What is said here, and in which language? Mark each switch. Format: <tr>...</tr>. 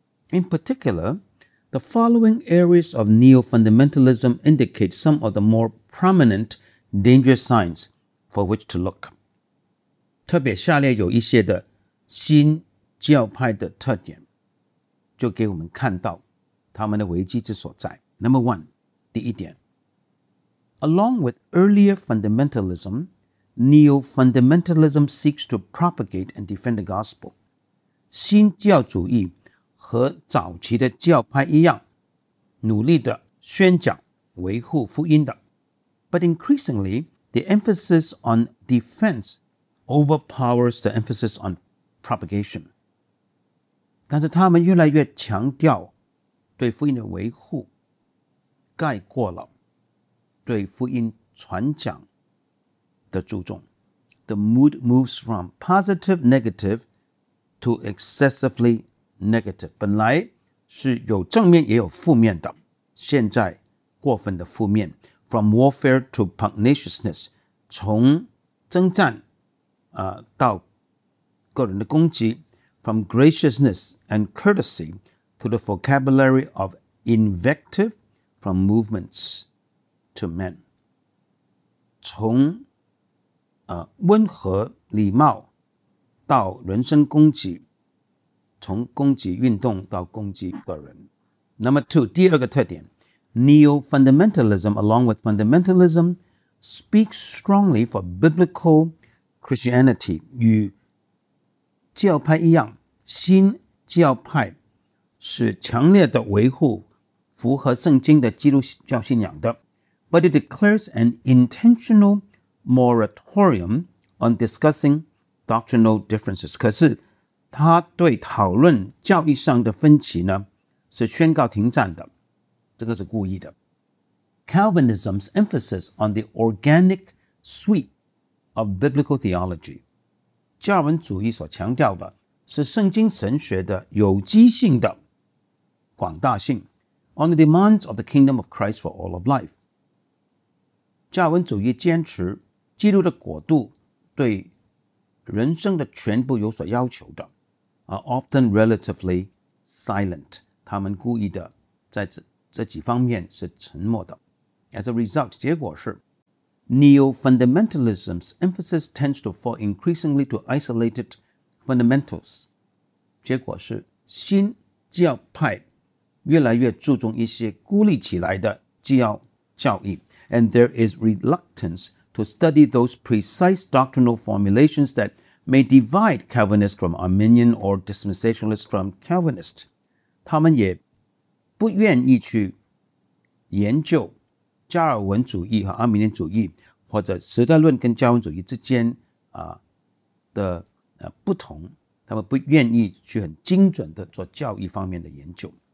<en>In particular, the following areas of neo-fundamentalism indicate some of the more prominent dangerous signs for which to look.</en> <zh>特别下列有一些的新教派的特点，就给我们看到他们的危机之所在。</zh> <en>Number one,</en> <zh>第一点。</zh> <en>Along with earlier fundamentalism,Neo-fundamentalism seeks to propagate and defend the gospel.</en> <zh>新基要主义和早期的教派一样，努力地宣讲维护福音的。</zh> <en>But increasingly, the emphasis on defense overpowers the emphasis on propagation.</en> <zh>但是他们越来越强调对福音的维护，盖过了对福音传讲的注重。</zh> <en>The mood moves from positive negative to excessively negative.</en> <zh>本来是有正面也有负面的，现在过分的负面。</zh> <en>From warfare to pugnaciousness,</en> <zh>从征战到个人的攻击。</zh> <en>From graciousness and courtesy to the vocabulary of invective, from movements to men.</en> <zh>从温和礼貌到人身攻击，从攻击运动到攻击个人。</zh> <en>Number two,</en> <zh>第二个特点，</zh> <en>Neo-fundamentalism along with fundamentalism speaks strongly for biblical Christianity.</en> <zh>与教派一样，新教派是强烈的维护符合圣经的基督教信仰的。</zh> <en>But it declares an intentional moratorium on discussing doctrinal differences.</en> <zh>可是他对讨论教义上的分歧呢是宣告停战的，这个是故意的。</zh> <en>Calvinism's emphasis on the organic sweep of biblical theology.</en> <zh>加尔文主义所强调的是圣经神学的有机性的广大性。</zh> <en>On the demands of the kingdom of Christ for all of life.</en> <zh>加尔文主义坚持基督的国度对人生的全部有所要求的</zh> <en>are often relatively silent.</en> <zh>他们故意的在 这几方面是沉默的。</zh> <en>As a result,</en> <zh>结果是</zh> <en>Neo-fundamentalism's emphasis tends to fall increasingly to isolated fundamentals.</en> <zh>结果是新教派越来越注重一些孤立起来的基要教义。</zh> <en>And there is reluctance to study those precise doctrinal formulations that may divide Calvinists from Arminian or dispensationalists from Calvinist.</en> <zh>他们也不愿意去研究加尔文主义和阿米尼主义或者时代论跟加尔文主义之间的不同，他们不愿意去很精准的做教义方面的研究。</zh>